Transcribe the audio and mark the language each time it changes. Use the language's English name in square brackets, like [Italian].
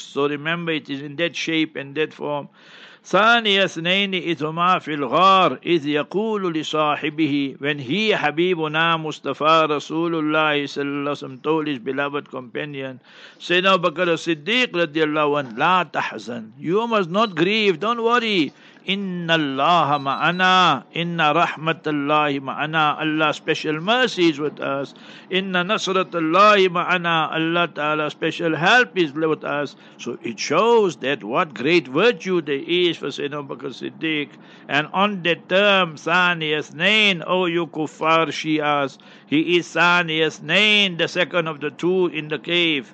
[English] So, remember, it is in that shape and that form. [Arabic] ثَانِيَثْنَيْنِ إِذْهُمَا فِي الْغَارِ إِذْ يَقُولُ لِصَاحِبِهِ, [English] when he, Habibuna Mustafa Rasulullah sallallahu alayhi wa sallam, told his beloved companion, Sayyidina Abu Bakr Siddiq radiallahu anhu, [Arabic] لَا تَحْزَنْ, [English] you must not grieve, don't worry. [Arabic] إِنَّ اللَّهَ مَعَنَا, إِنَّ رَحْمَةَ اللَّهِ مَعَنَا, [English] Allah special mercy is with us. [Arabic] إِنَّ نَصْرَةَ اللَّهِ مَعَنَا, [English] Allah Ta'ala special help is with us. So it shows that what great virtue there is for Sayyidina Abu Bakr Siddiq. And on that term, [Arabic] ثَانِيَثْنَيْن, [English] O you kuffar Shias, he is ثَانِيَثْنَيْن, the second of the two in the cave.